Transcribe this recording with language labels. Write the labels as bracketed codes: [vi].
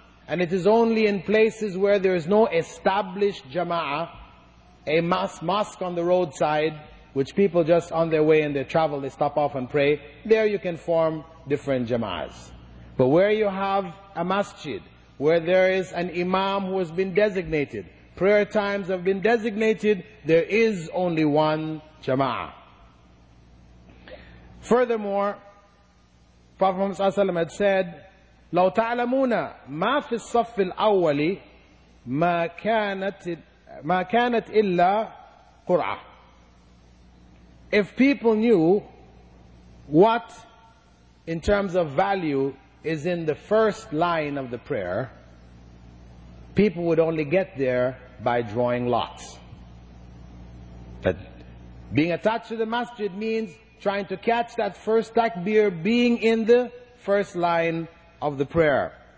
[en] And it is only in places where there is no established jama'ah, a mosque on the roadside, which people just on their way and their travel, they stop off and pray. There you can form different jama'ahs. But where you have a masjid, where there is an imam who has been designated, prayer times have been designated, there is only one jama'ah. Furthermore, Prophet Muhammad ﷺ had said, [ar] لَوْ تَعْلَمُونَ مَا فِي الصَّفِّ الْأَوَّلِ مَا كَانَتْ إِلَّا قُرْعَةً. [en] If people knew what, in terms of value, is in the first line of the prayer, people would only get there by drawing lots. But being attached to the masjid means trying to catch that first takbir, being in the first line of the prayer.